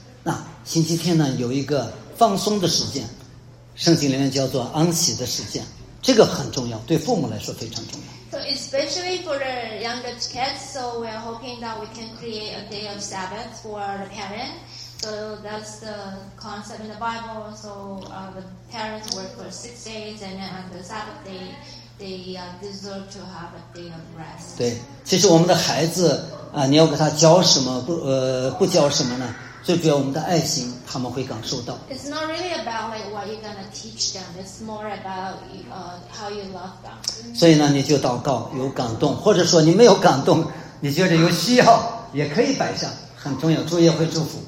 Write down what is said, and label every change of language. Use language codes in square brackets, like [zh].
[zh] 那星期天呢，有一个放松的时间，圣经里面叫做安息的时间，这个很重要，对父母来说非常重要。 [en] So especially for the younger kids, so we are hoping that we can create a day of Sabbath for the parent. So that's the concept in the Bible. So the parents work for 6 days, and then on the Sabbath day. They deserve to have a day of rest. [zh] 对，其实我们的孩子啊，你要给他教什么不教什么呢？最主要我们的爱心，他们会感受到。 [en] It's not really about like what you're gonna teach them. It's more about how you love them. [zh] 所以呢，你就祷告有感动，或者说你没有感动，你觉得有需要也可以摆上，很重要。主也会祝福。